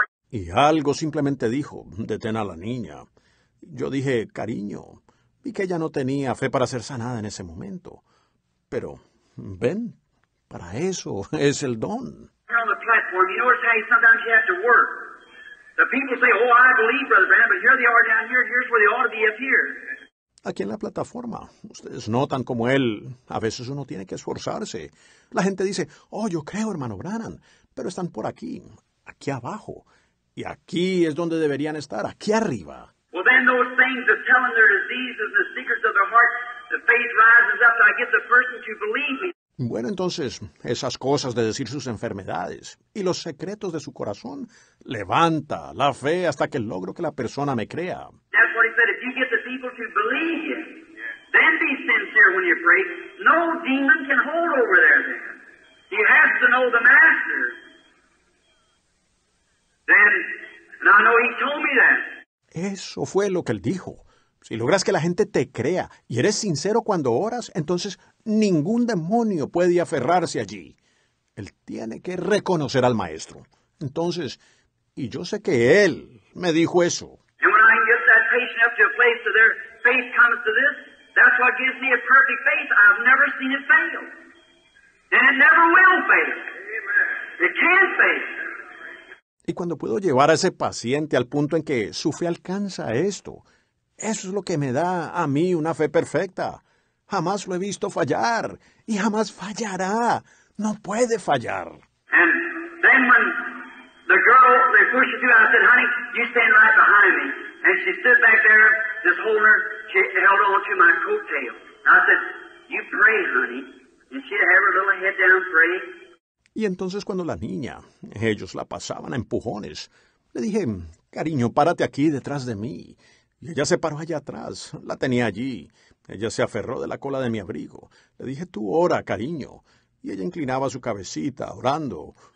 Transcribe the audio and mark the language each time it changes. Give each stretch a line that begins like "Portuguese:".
Spanish: Y algo simplemente dijo, detén a la niña. Yo dije, cariño, vi que ella no tenía fe para ser sanada en ese momento. Pero, ven, para eso es el don.
English: Platform. You notice how sometimes you have to work. The people say, oh, I believe, Brother Branham, but here they are down here, here's where they ought to be, up here.
Spanish: Aquí en la plataforma, ustedes notan como él, a veces uno tiene que esforzarse. La gente dice, oh, yo creo, hermano Branham, pero están por aquí, aquí abajo. Y aquí es donde deberían estar, aquí arriba.
English: Well, then those things of telling their diseases, the secrets of their heart, the faith rises up, and I get the person to believe me.
Spanish: Bueno, entonces, esas cosas de decir sus enfermedades y los secretos de su corazón, levanta la fe hasta que logro que la persona me crea.
English: That's what he said, if you get the people to believe you, then be sincere when you pray. No demon can hold over there then. You have to know the master. Then, and I know he told me that.
Spanish: Eso fue lo que él dijo. Si logras que la gente te crea y eres sincero cuando oras, entonces ningún demonio puede aferrarse allí. Él tiene que reconocer al maestro. Entonces, y yo sé que él me dijo eso.
English: And when I can get that patient up to a place where their faith comes to this, that's what gives me a perfect faith. I've never seen it fail. And it never will fail. It can't fail.
Spanish: Y cuando puedo llevar a ese paciente al punto en que su fe alcanza esto, eso es lo que me da a mí una fe perfecta. Jamás lo he visto fallar. Y jamás fallará. No puede fallar.
English: And then when the girl, they pushed her through, I said, honey, you stand right behind me. And she stood back there, just holding her, she held on to my coattail. And I said, you pray, honey. And she'd have her little head down praying.
Spanish: Y entonces cuando la niña, ellos la pasaban a empujones, le dije, cariño, párate aquí detrás de mí. Y ella se paró allá atrás, la tenía allí. Ella se aferró de la cola de mi abrigo. Le dije, tú ora, cariño. Y ella inclinaba su cabecita, orando.